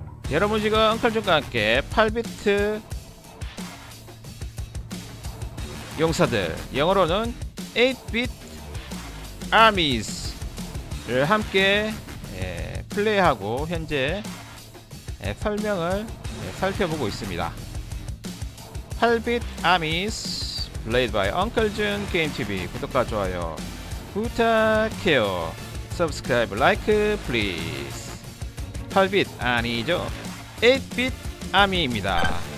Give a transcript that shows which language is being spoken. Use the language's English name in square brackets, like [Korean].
[Korean] 여러분 지금 엉클존과 함께 8비트 용사들, 영어로는 8비트 아미즈를 함께 플레이하고 현재 설명을 살펴보고 있습니다. [English] 8비트 아미즈 played by Uncle Jun Game TV. [Korean] 구독과 좋아요 부탁해요. [English] Subscribe, like, please. 8bit [Korean] 아니죠? [English] 8bit Army입니다.